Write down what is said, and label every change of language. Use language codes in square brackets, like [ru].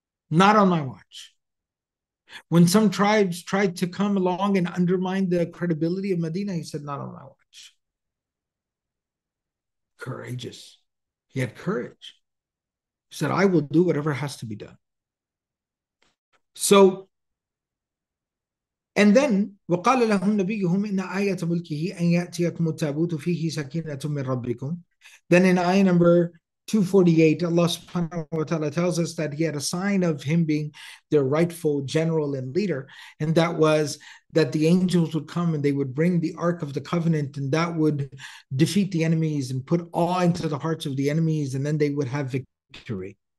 [en] Not on my watch. When some tribes tried to come along and undermine the credibility of Medina, he said, not on my watch. Courageous. He had courage. He said, I will do whatever has to be done. So, and then, [ar] وَقَالَ لَهُمْ نَبِيُّهُمْ إِنَّ آيَةَ مُلْكِهِ أَنْ يَأْتِيَكُمُ التَّابُوتُ فِيهِ سَكِينَةٌ مِّن رَبِّكُمْ. [en] Then in ayah number 248, Allah subhanahu wa ta'ala tells us that he had a sign of him being their rightful general and leader, and that was that the angels would come and they would bring the Ark of the Covenant, and that would defeat the enemies and put awe into the hearts of the enemies, and then they would have victory.